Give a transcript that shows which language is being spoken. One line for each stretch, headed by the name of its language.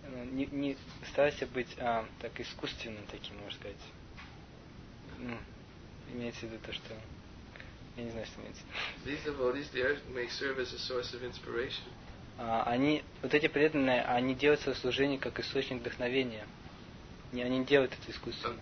Russian: Не старайся быть так искусственным таким, можно сказать. Имеется в виду то, что... Я не знаю, что имеется.
English: These devotees, they may serve as a source of inspiration.
Russian: Они, вот эти преданные, они делают свое служение как источник вдохновения. Не, они не делают это искусство.